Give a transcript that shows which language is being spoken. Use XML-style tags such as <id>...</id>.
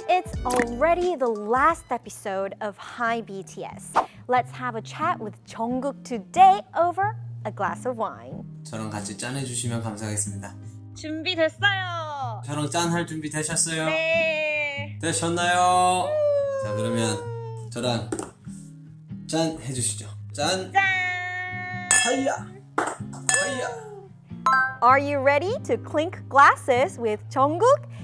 <en>It's already the last episode of Hi BTS. Let's have a chat with Jungkook today over a glass of wine.</en> <ko>저랑 같이 짠 해주시면 감사하겠습니다. 준비됐어요. 저랑 짠 할 준비 되셨어요? 네. 되셨나요? 자, 그러면 저랑 짠 해주시죠. 짠. 짠. 하이야.</ko> <en>Are you ready to clink glasses with Jungkook?</en>